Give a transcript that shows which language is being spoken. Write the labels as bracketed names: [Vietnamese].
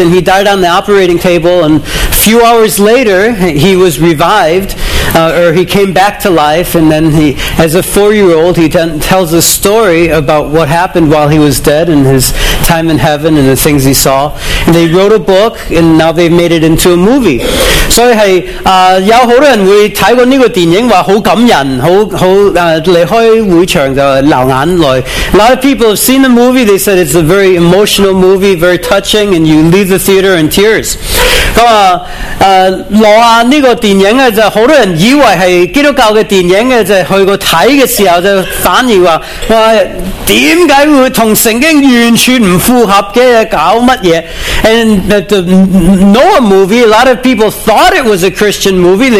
[English] And he died on the operating table, and a few hours later he was revived, or he came back to life, and then he, as a four-year-old, he tells a story about what happened while he was dead and his time in heaven and the things he saw. And they wrote a book, and now they've made it into a movie. [Cantonese] 所以是有好多人会睇过呢个电影，话好感人，离开会场就流眼泪。 [English] A lot of people have seen the movie. They said it's a very emotional movie, very touching, and you leave the theater in tears. [Cantonese] 咁罗亚呢个电影咧，就好多人以为是基督教嘅电影嘅，就去过睇嘅时候就反而话哇，点解会同圣经完全唔符合嘅，搞乜嘢 ？ [English] And the Noah movie, a lot of people thought it was a Christian movie.